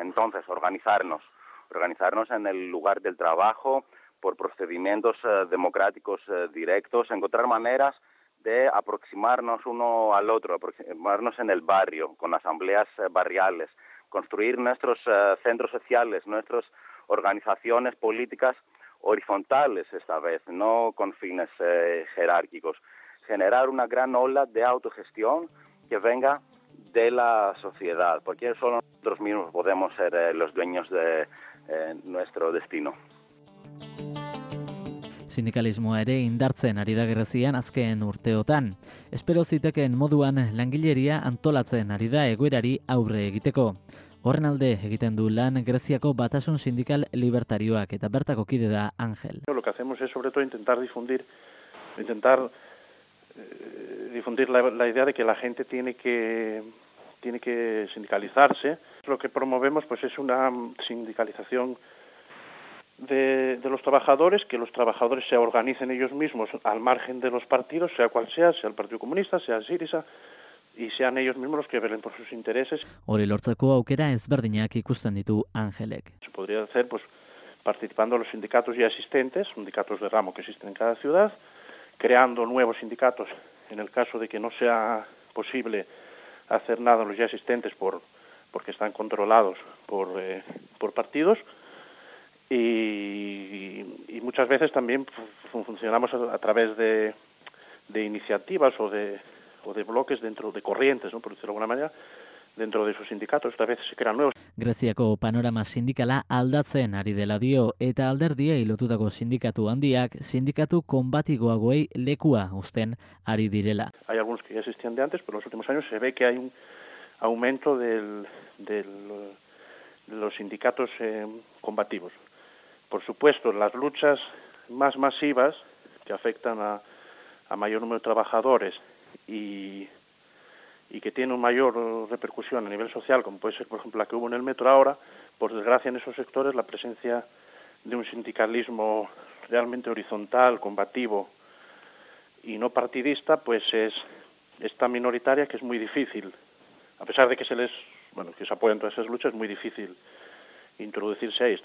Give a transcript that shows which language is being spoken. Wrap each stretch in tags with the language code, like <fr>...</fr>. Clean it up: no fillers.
<es>Entonces, organizarnos en el lugar del trabajo, por procedimientos democráticos directos, encontrar maneras de aproximarnos uno al otro, aproximarnos en el barrio, con asambleas barriales, construir nuestros centros sociales, nuestras organizaciones políticas horizontales esta vez, no con fines jerárquicos, generar una gran ola de autogestión que venga de la sociedad, porque solo nosotros mismos podemos ser los dueños de nuestro destino.</es> <eu>Sindikalismoa ere indartzen ari da Grezian azken urteotan. Espero zitekeen moduan langileria antolatzen ari da egoerari aurre egiteko. Horren alde egiten du lan Greziako Batasun Sindikal Libertarioak eta bertako kide da Angel.</eu> <es>Lo que hacemos es sobre todo intentar difundir la idea de que la gente tiene que sindicalizarse. Lo que promovemos pues es una sindicalización de los trabajadores, que los trabajadores se organicen ellos mismos al margen de los partidos, sea cual sea, sea el Partido Comunista, sea Syriza, y sean ellos mismos los que velen por sus intereses.</es> <eu>Hori lortzeko aukera ezberdinak ikusten ditu Angelek.</eu> <es>Se podría hacer pues participando los sindicatos ya existentes, sindicatos de ramo que existen en cada ciudad, creando nuevos sindicatos en el caso de que no sea posible hacer nada los ya existentes porque están controlados por partidos. Y muchas veces también funcionamos a través de iniciativas o de bloques dentro de corrientes, ¿no? Por decirlo de alguna manera, dentro de esos sindicatos, otras veces se crean nuevos.</es> <eu>Greziako panorama sindikala aldatzen ari dela dio, eta alderdiei lotutako sindikatu handiak sindikatu konbatigoagoei lekua uzten ari direla.</eu> <es>Hay algunos que ya existían de antes, pero en los últimos años se ve que hay un aumento de los sindicatos combativos. Por supuesto, las luchas más masivas que afectan a mayor número de trabajadores y que tienen mayor repercusión a nivel social, como puede ser, por ejemplo, la que hubo en el metro ahora, por desgracia en esos sectores la presencia de un sindicalismo realmente horizontal, combativo y no partidista, pues es tan minoritaria que es muy difícil, a pesar de que se apoyan todas esas luchas, es muy difícil introducirse ahí.</es>